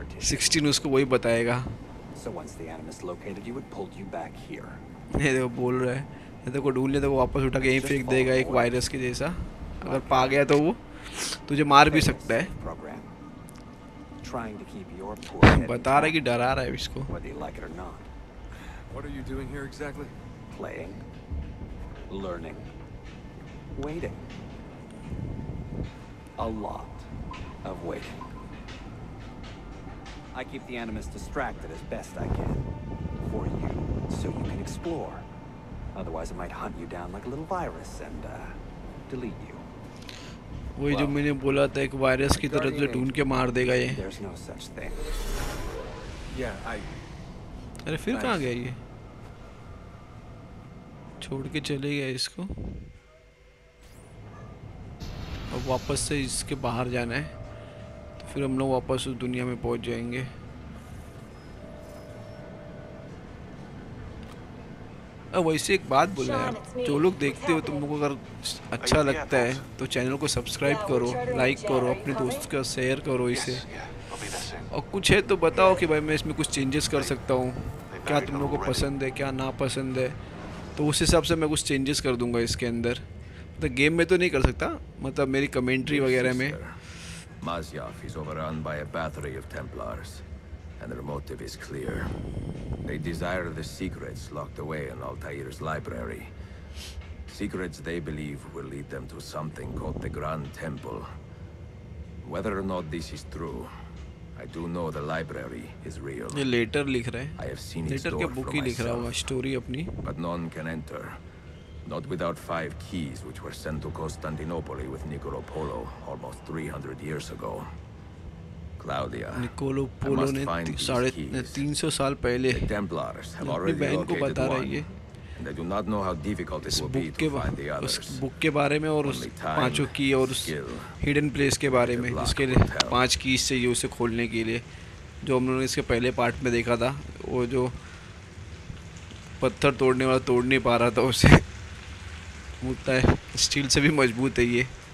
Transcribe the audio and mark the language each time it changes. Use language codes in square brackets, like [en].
[hi] 16 उसको वही बताएगा, ये देखो बोल रहा है देखो ढूंढ ले तो वापस उठा के यहीं फेंक देगा एक वायरस के जैसा, अगर पा गया तो वो तुझे मार भी सकता है। बता रहा है कि डरा रहा है इसको। [en] What are you doing here exactly? Playing. Learning. Waiting. A lot of waiting. I keep the animus distracted as best I can for you so you can explore. Otherwise it might hunt you down like a little virus and delete you. [hi] वो जो मैंने बोला था एक virus की तरह जो ढूंढ के मार देगा ये। [en] There's no such thing. Yeah, I. [hi] अरे फिर कहाँ गया ये? छोड़ के चले गए इसको। अब वापस से इसके बाहर जाना है तो फिर हम लोग वापस उस दुनिया में पहुंच जाएंगे। वैसे एक बात बोला है, जो लोग देखते हो तुम लोगों को अगर अच्छा लगता है तो चैनल को सब्सक्राइब करो, लाइक करो, अपने दोस्त का शेयर करो इसे, और कुछ है तो बताओ कि भाई मैं इसमें कुछ चेंजेस कर सकता हूँ, क्या तुम लोगों को पसंद है क्या ना पसंद है, तो उस हिसाब से मैं कुछ चेंजेस कर दूँगा इसके अंदर। मतलब गेम में तो नहीं कर सकता, मतलब मेरी कमेंट्री वगैरह में। [en] Mazyaf is overrun by a battery of Templars. And their motive is clear. They desire the secrets locked away in Altair's library. Secrets they believe will lead them to something called the Grand Temple. Whether or not this is true, I do know the library is real. [hi] ये letter लिख रहे हैं। [en] I have seen its door from myself. [hi] लिख रहा हूँ story अपनी। [en] But none can enter. Not without five keys which were sent to Constantinople with Niccolo Polo almost 300 years ago. [hi] Claudia, Niccolo Polo ने 300 साल पहले अपनी बहन को बता रही है। [en] And I do not know how difficult it will be to find the others. [hi] उस बुक के बारे में और उस पांचों की और उस हिडन प्लेस के बारे में, इसके लिए पांच कीज चाहिए उसे खोलने के लिए, जो हम लोगों ने इसके पहले पार्ट में देखा था, वो जो पत्थर तोड़ने वाला तोड़ नहीं पा रहा था उसे, होता है स्टील से भी मजबूत है ये।